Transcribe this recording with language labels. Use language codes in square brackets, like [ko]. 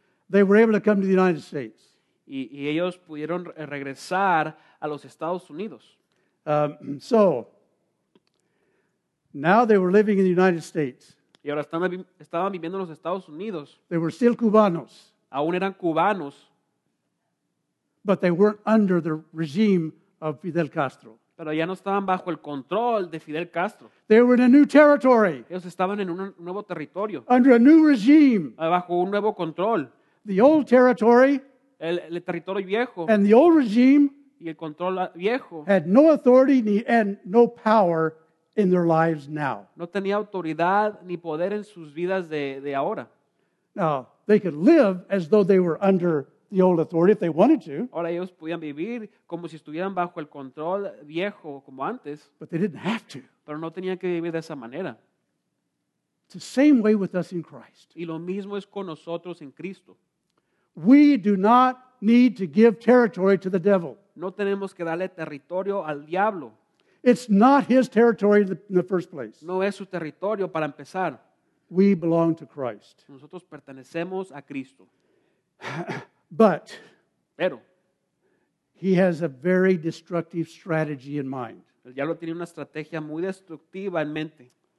[en] They were able to come to the United States. [es] Y ellos pudieron regresar a los Estados Unidos. [en] So now they were living in the United States. [es] Y ahora estaban viviendo en los Estados Unidos. [en] They were still cubanos. [es] Aún eran cubanos. [en] But they weren't under the regime of Fidel Castro. [es] Pero ya no estaban bajo el control de Fidel Castro. [en] They were in a new territory. [es] Ellos estaban en un nuevo territorio. [en] Under a new regime. [es] Bajo un nuevo control. [en] The old territory. [es] el territorio viejo. [en] And the old regime [es] y el control viejo [en] had no authority and no power in their lives now. [es] No tenía autoridad ni poder en sus vidas de ahora. [en] Now, they could live as though they were under the old authority if they wanted to. [es] Ahora ellos podían vivir como si estuvieran bajo el control viejo como antes. [en] But they didn't have to. [es] Pero no tenían que vivir de esa manera. [en] It's the same way with us in Christ. [es] Y lo mismo es con nosotros en Cristo. [en] We do not need to give territory to the devil. [es] No tenemos que darle territorio al diablo. [en] It's not his territory in the first place. [es] No es su territorio para empezar. [en] We belong to Christ. [es] Nosotros pertenecemos a Cristo. [en] But [es] pero [en] he has a very destructive strategy in mind. [es] El diablo tiene una estrategia muy destructiva en mente.